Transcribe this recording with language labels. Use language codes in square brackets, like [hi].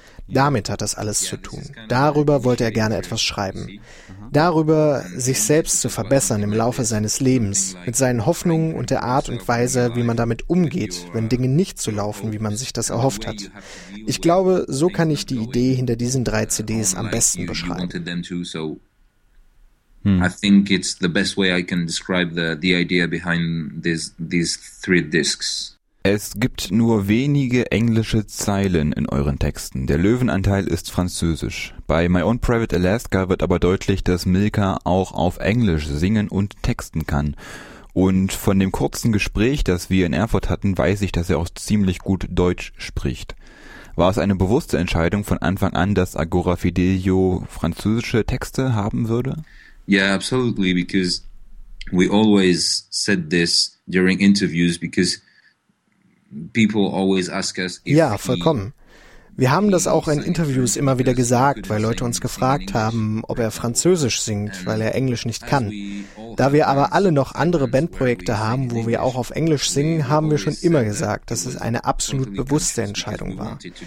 [de] Damit hat das alles zu tun. Darüber wollte er gerne etwas schreiben. Darüber, sich selbst zu verbessern im Laufe seines Lebens, mit seinen Hoffnungen und der Art und Weise, wie man damit umgeht, wenn Dinge nicht so laufen, wie man sich das erhofft hat. Ich glaube, so kann ich die Idee hinter diesen drei CDs am besten beschreiben. [en] I think it's the best way I can describe the idea behind these three discs. [de] Es gibt nur wenige englische Zeilen in euren Texten. Der Löwenanteil ist französisch. Bei My Own Private Alaska wird aber deutlich, dass Milka auch auf Englisch singen und texten kann. Und von dem kurzen Gespräch, das wir in Erfurt hatten, weiß ich, dass er auch ziemlich gut Deutsch spricht. War es eine bewusste Entscheidung von Anfang an, dass Agora Fidelio französische Texte haben würde? [en] Yeah, absolutely, because we always said this during interviews, because people always ask us if [de] ja, vollkommen. Wir haben das auch in Interviews immer wieder gesagt, weil Leute uns gefragt haben, ob er Französisch singt, weil er Englisch nicht kann. Da wir aber alle noch andere Bandprojekte haben, wo wir auch auf Englisch singen, haben wir schon immer gesagt, dass es eine absolut bewusste Entscheidung war.